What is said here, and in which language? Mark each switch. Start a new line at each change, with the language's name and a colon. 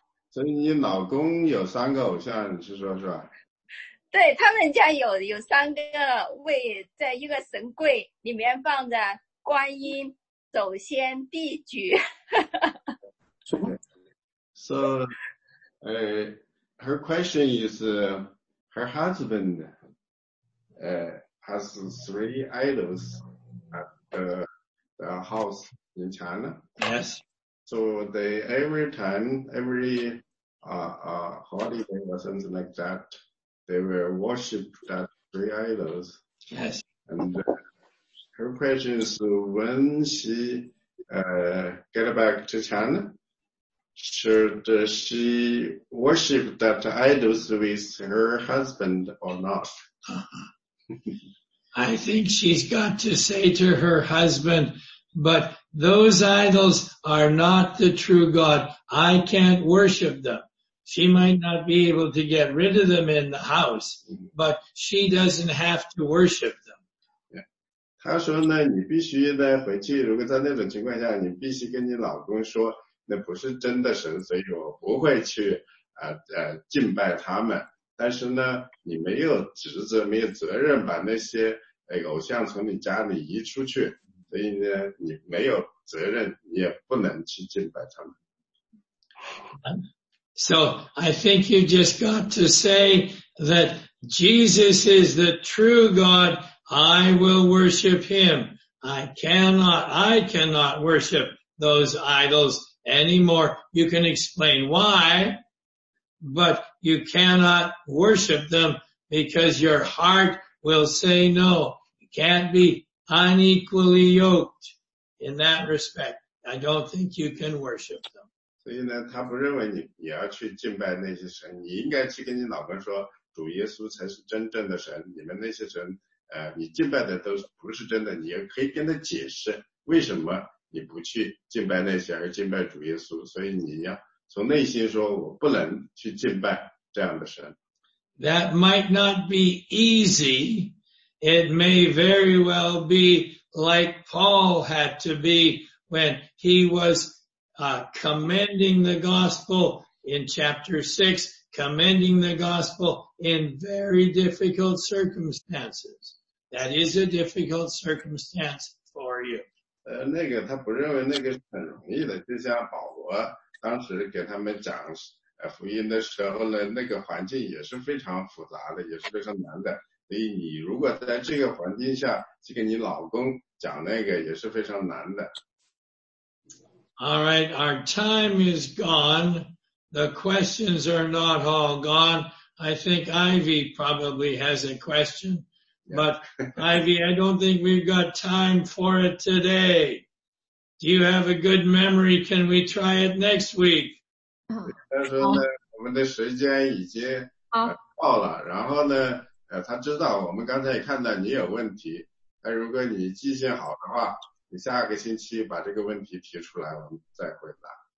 Chinese: 所以你老公有三个偶像，你是说是吧？对，他们家有三个位，在一个神柜里面放着观音、祖先、地主。
English: So, her question is, her husband has three idols at the house in China. Yes. So they every time, every holiday or something like that, they will worship that three idols. Yes. And her question is, when she get back to China, should she worship that idols with her husband or not? I think she's got to say to her husband, but those idols are not the true God. I can't worship them. She might not be able to get rid of them in the house, but she doesn't have to worship them.
Chinese: 他说呢，你必须呢回去，如果在那种情况下，你必须跟你老公说，那不是真的神，所以我不会去敬拜他们。但是呢，你没有职责，没有责任把那些偶像从你家里移出去，所以呢，你没有责任，你也不能去敬拜他们。
English: So I think you just got to say that Jesus is the true God. I will worship him. I cannot worship those idols anymore. You can explain why, but you cannot worship them because your heart will say no. You can't be unequally yoked in that respect. I don't think you can worship them.
Chinese: 所以呢，他不认为你要去敬拜那些神，你应该去跟你老婆说，主耶稣才是真正的神，你们那些神。你敬拜的都不是真的，你也可以跟他解释为什么你不去敬拜那些而敬拜主耶稣，所以你要从内心说我不能去敬拜这样的神。
English: That might not be easy. It may very well be like Paul had to be when he was commending the gospel in chapter 6, commending the gospel in very difficult circumstances. That is a difficult circumstance for you.
Chinese: 那个他不认为那个是很容易的，就像保罗当时给他们讲福音的时候呢，那个环境也是非常复杂的，也是非常难的。所以你如果在这个环境下去跟你老公讲那个，也是非常难的。
English: All right, our time is gone. The questions are not all gone. I think Ivy probably has a question. But, Ivy, I don't think we've got time for it today. Do you have a good memory? Can we try it next week?
Chinese: 他说呢，我们的时间已经到了，然后呢，他知道我们刚才也看到你有问题，那如果你记性好的话，你下个星期把这个问题提出来，我们再回答。